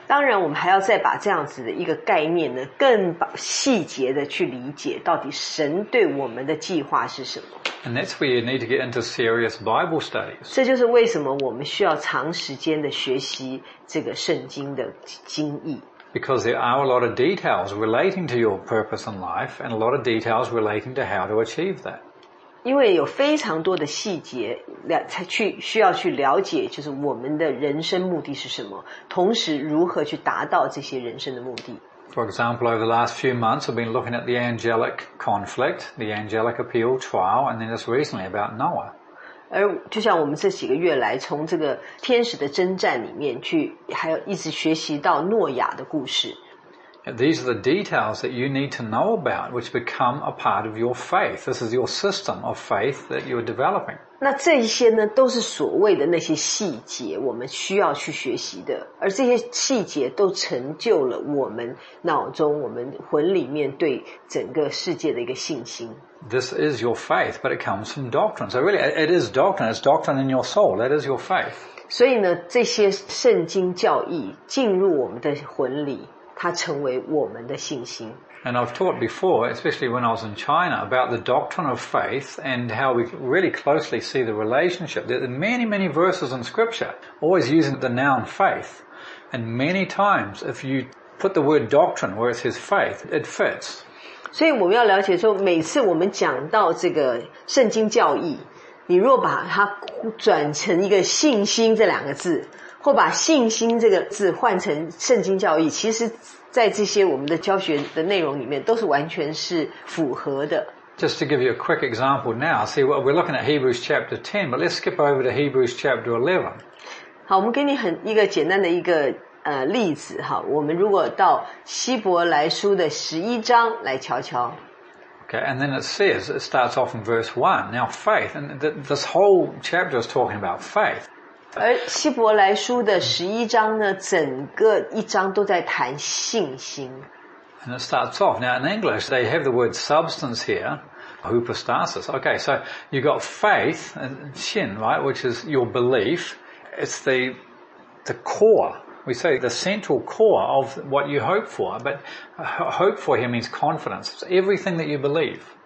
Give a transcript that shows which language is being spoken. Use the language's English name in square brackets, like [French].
[Chinese] 当然我们还要再把这样子的一个概念呢更细节的去理解到底神对我们的计划是什么。 [English] And that's where you need to get into serious Bible studies. [Chinese] 这就是为什么我们需要长时间的学习这个圣经的经义。 [English] Because there are a lot of details relating to your purpose in life and a lot of details relating to how to achieve that. [Chinese] 因为有非常多的细节才去需要去了解，就是我们的人生目的是什么，同时如何去达到这些人生的目的。 [English] For example, over the last few months, I've been looking at the angelic conflict, the angelic appeal trial, and then just recently about Noah. [Chinese] 而就像我们这几个月来从这个天使的征战里面去，还有一直学习到诺亚的故事。 [English] These are the details that you need to know about, which become a part of your faith. This is your system of faith that you're developing. [Chinese] 那这些呢，都是所谓的那些细节，我们需要去学习的。而这些细节都成就了我们脑中、我们魂里面对整个世界的一个信心。 [English] This is your faith, but it comes from doctrine. So really, it is doctrine. It's doctrine in your soul. That is your faith. [Chinese] 所以呢，这些圣经教义进入我们的魂里，它成为我们的信心。 [English] And I've taught before, especially when I was in China, about the doctrine of faith and how we really closely see the relationship. There are many, many verses in scripture always using the noun faith. And many times, if you put the word doctrine where it says faith, it fits. [Chinese] 所以我们要了解说，每次我们讲到这个圣经教义，你若把它转成一个信心这两个字，或把信心这个字换成圣经教义，其实在这些我们的教学的内容里面都是完全是符合的。 [English] Just to give you a quick example now, see, well, we're looking at Hebrews chapter 10, but let's skip over to Hebrews chapter 11. [Chinese] 好，我们给你很一个简单的一个例子。好，我们如果到希伯来书的11章来瞧瞧。 [English] Okay, and then it starts off in verse 1. Now faith, and this whole chapter is talking about faith. [Chinese] 而希伯来书的11章呢，整个一章都在谈信心。 [English] And it starts off. Now in English, they have the word substance here, hypostasis. Okay, so you got faith, shin, right, which is your belief. It's the core. We say the central core of what you hope for. But hope for here means confidence. It's everything that you believe.